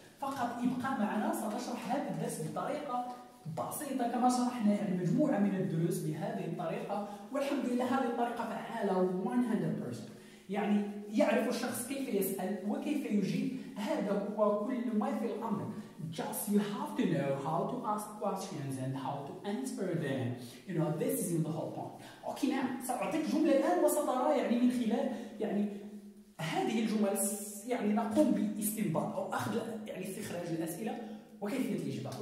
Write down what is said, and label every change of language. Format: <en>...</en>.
<ar>فقط ابقى معنا سنشرح هذا الدرس بطريقة بسيطة كما شرحنا مجموعة من الدروس بهذه الطريقة, والحمد لله هذه الطريقة فعالة 100%. يعني يعرف الشخص كيف يسأل وكيف يجيب, هذا هو كل ما في الأمر.</ar> <en>Just you have to know how to ask questions and how to answer them. You know, this is the whole point. Okay, now,</en> <ar>سأعطيك جملة الآن وسترى يعني من خلال يعني هذه الجمل يعني نقوم باستنباط أو أخذ يعني استخراج الأسئلة وكيفية الإجابة.</ar>